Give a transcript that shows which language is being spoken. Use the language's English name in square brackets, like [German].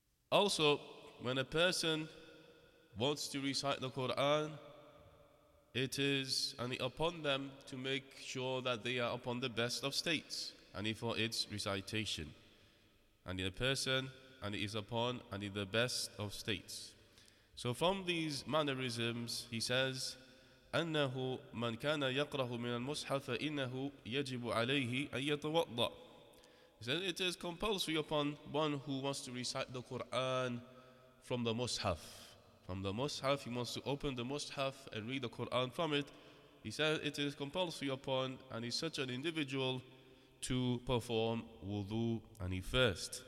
[English] Also, when a person wants to recite the Quran, it is upon them to make sure that they are upon the best of states for its recitation. A person is upon the best of states. So from these mannerisms, he says, [Arabic] أَنَّهُ مَنْ كَانَ يَقْرَهُ مِنَ الْمُصْحَفَ إِنَّهُ يَجِبُ عَلَيْهِ أَنْ يَتَوَضَّ. [English] He says, it is compulsory upon one who wants to recite the Quran from the Mus'haf. From the Mus'haf, he wants to open the Mus'haf and read the Quran from it. He says, it is compulsory upon such an individual to perform wudu first.